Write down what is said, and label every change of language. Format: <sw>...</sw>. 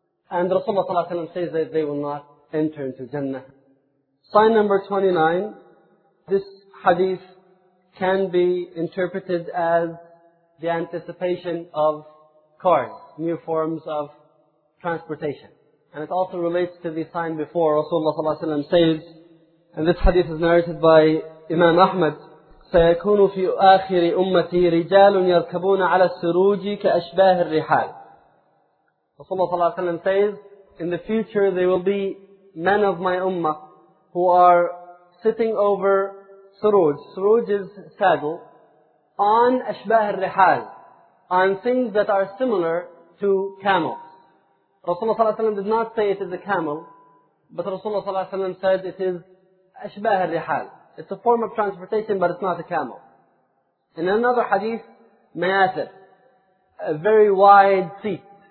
<en>And Rasulullah ﷺ says that they will not enter into Jannah. Sign number 29. This hadith can be interpreted as the anticipation of cars, new forms of transportation. And it also relates to the sign before. Rasulullah ﷺ says, and this hadith is narrated by Imam Ahmad,</en> <ar>سيكون في آخر أمتي رجال يركبون على السروج كأشباه الرحال.</ar> <en>Rasulullah</en> <ar>صلى الله عليه وسلم</ar> <en>says, in the future there will be men of my ummah who are sitting over suruj. Suruj is saddle.</en> <ar>On أشباه الرحال.</ar> <en>On things that are similar to camels. Rasulullah</en> <ar>صلى الله عليه وسلم</ar> <en>did not say it is a camel, but Rasulullah صلى الله عليه وسلم said it is</en> <ar>أشباه الرحال.</ar> <en>It's a form of transportation, but it's not a camel. In another hadith, Mayasir, a very wide seat.</en>